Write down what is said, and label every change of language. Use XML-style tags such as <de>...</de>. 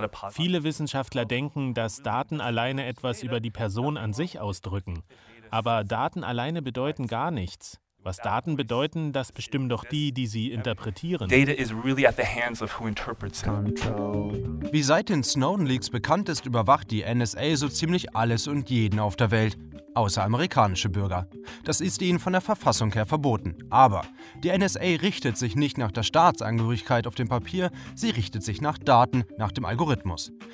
<de>Viele Wissenschaftler denken, dass Daten alleine etwas über die Person an sich ausdrücken. Aber Daten alleine bedeuten gar nichts. Was Daten bedeuten, das bestimmen doch die, die sie interpretieren.</de> <en>Data is really at the hands of who interprets it.</en> <de>Wie seit den Snowden-Leaks bekannt ist, überwacht die NSA so ziemlich alles und jeden auf der Welt. außer amerikanische Bürger. Das ist ihnen von der Verfassung her verboten. Aber die NSA richtet sich nicht nach der Staatsangehörigkeit auf dem Papier, sie richtet sich nach Daten, nach dem Algorithmus.</de>